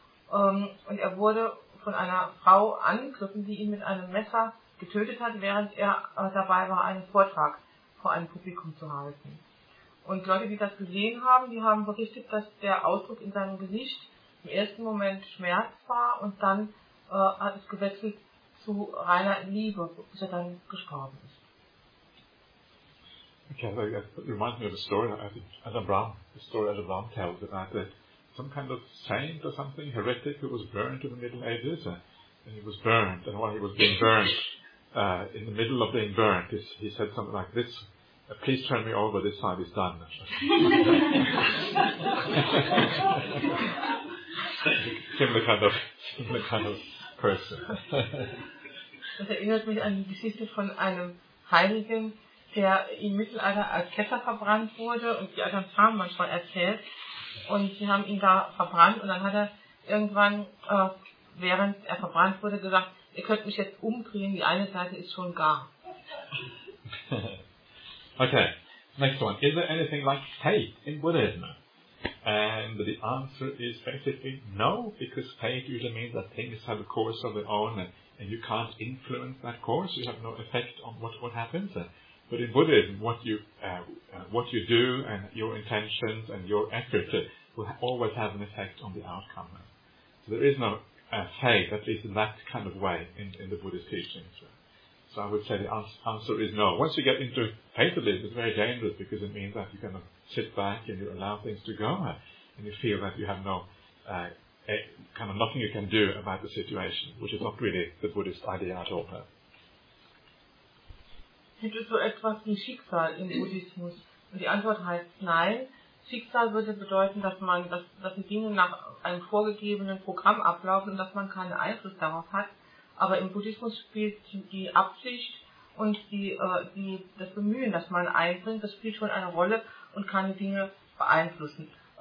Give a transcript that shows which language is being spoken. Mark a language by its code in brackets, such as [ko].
[de] Und er wurde von einer Frau angegriffen, die ihn mit einem Messer getötet hat, während er dabei war, einen Vortrag vor einem Publikum zu halten. Und Leute, die das gesehen haben, die haben berichtet, dass der Ausdruck in seinem Gesicht im ersten Moment Schmerz war und dann hat es gewechselt zu reiner Liebe, bis er dann gestorben ist. [en] Okay, that reminds me of a story Adam Brown tells about some kind of saint or something, heretic, who was burned in the Middle Ages. And he was burned, and while he was being burned, in the middle of being burned, he said something like this: please turn me over, this side is done. Similar kind of person. [de] Das erinnert mich an die Geschichte von einem Heiligen, der im Mittelalter als Ketzer verbrannt wurde, und die anderen Frauen manchmal erzählt, und sie haben ihn da verbrannt, und dann hat er irgendwann, während er verbrannt wurde, gesagt, ihr könnt mich jetzt umdrehen, die eine Seite ist schon gar. [en] Okay, next one. Is there anything like fate in Buddhism? And the answer is basically no, because fate usually means that things have a course of their own, and you can't influence that course, you have no effect on what happens. But in Buddhism, what you do and your intentions and your effort will always have an effect on the outcome. So there is no fate, at least in that kind of way, in the Buddhist teachings. So I would say the answer is no. Once you get into fatalism, it's very dangerous, because it means that you kind of sit back and you allow things to go, and you feel that you have nothing you can do about the situation, which is not really the Buddhist idea at all. [de] Gibt es so etwas wie Schicksal im Buddhismus? Und die Antwort heißt nein. Schicksal würde bedeuten, dass die Dinge nach einem vorgegebenen Programm ablaufen und dass man keinen Einfluss darauf hat. Aber im Buddhismus spielt die Absicht und das Bemühen, das man einbringt, das spielt schon eine Rolle und kann die Dinge beeinflussen.